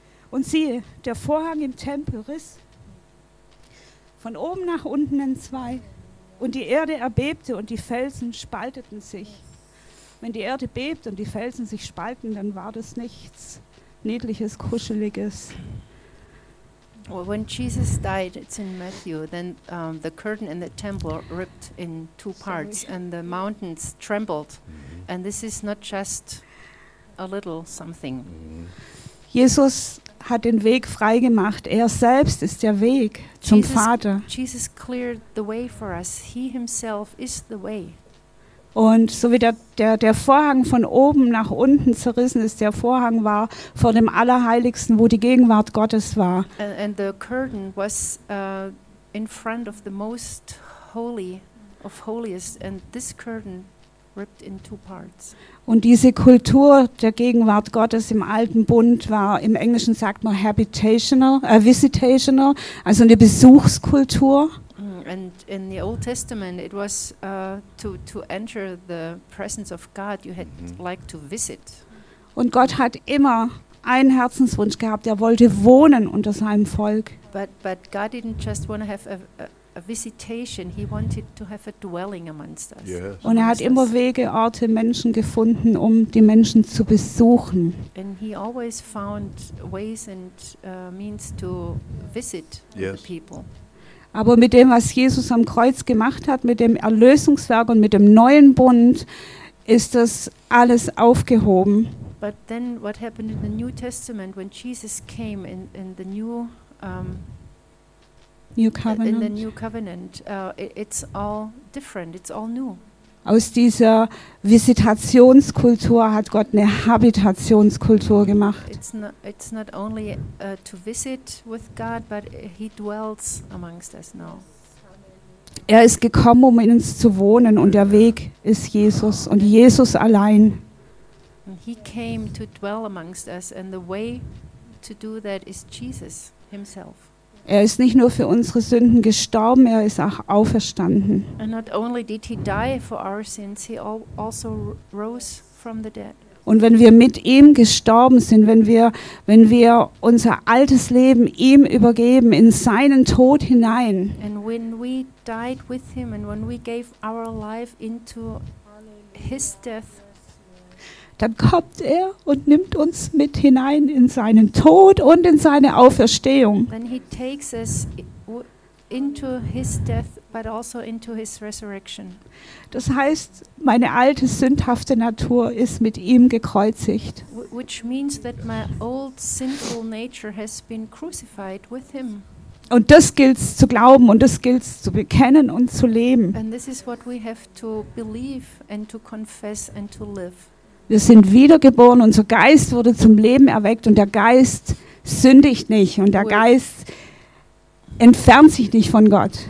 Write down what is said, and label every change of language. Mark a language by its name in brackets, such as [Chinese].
[German] Und siehe, der Vorhang im Tempel riss von oben nach unten entzwei und die Erde erbebte und die Felsen spalteten sich. Wenn die Erde bebt und die Felsen sich spalten, dann war das nichts Niedliches, Kuscheliges. [English] When Jesus died, it's in Matthew, then the curtain in the temple ripped in two parts and the mountains trembled. And this is not just a little something. [German] Jesus hat den Weg freigemacht. Er selbst ist der Weg zum Vater. [English] Jesus cleared the way for us. He himself is the way. [German] Und so wie der Vorhang von oben nach unten zerrissen ist, der Vorhang war vor dem Allerheiligsten, wo die Gegenwart Gottes war. [English] And the curtain was in front of the most holy of holiest, and this curtain ripped in two parts. [German] Und diese Kultur der Gegenwart Gottes im Alten Bund war, im Englischen sagt man visitational, also eine Besuchskultur. [English] And in the Old Testament it was to enter the presence of God you had like to visit. [German] Und Gott hat immer einen Herzenswunsch gehabt, er wollte wohnen unter seinem Volk. [English] But God didn't just want to have a visitation, he wanted to have a dwelling amongst us. Yes. [German] Und er hat immer Wege, Orte, Menschen gefunden, um die Menschen zu besuchen. [English] And he always found ways and means to visit yes. the people. [German] Aber mit dem, was Jesus am Kreuz gemacht hat, mit dem Erlösungswerk und mit dem neuen Bund, ist das alles aufgehoben. [English] But then what happened in the New Testament when Jesus came in the new covenant? In the new covenant, it's all different, it's all new. [German] Aus dieser Visitationskultur hat Gott eine Habitationskultur gemacht. [English] It's not only to visit with God, but he dwells amongst us now. [German] Er ist gekommen, um in uns zu wohnen, und der Weg ist Jesus und Jesus allein. [English] He came to dwell amongst us, and the way to do that is Jesus himself. [German] Er ist nicht nur für unsere Sünden gestorben, er ist auch auferstanden. [English] And not only did he die for our sins, he also rose from the dead. [German] Und wenn wir mit ihm gestorben sind, wenn wir unser altes Leben ihm übergeben, in seinen Tod hinein. [English] And when we died with him and when we gave our life into his death, [German] dann kommt er und nimmt uns mit hinein in seinen Tod und in seine Auferstehung. [English] Then he takes us into his death, but also into his resurrection. [German] Das heißt, meine alte sündhafte Natur ist mit ihm gekreuzigt. [English] Which means that my old sinful nature has been crucified with him. [German] Und das gilt's zu glauben und das gilt's zu bekennen und zu leben. [English] And this is what we have to believe and to confess and to live. [German] Wir sind wiedergeboren, unser Geist wurde zum Leben erweckt und der Geist sündigt nicht und der Geist entfernt sich nicht von Gott.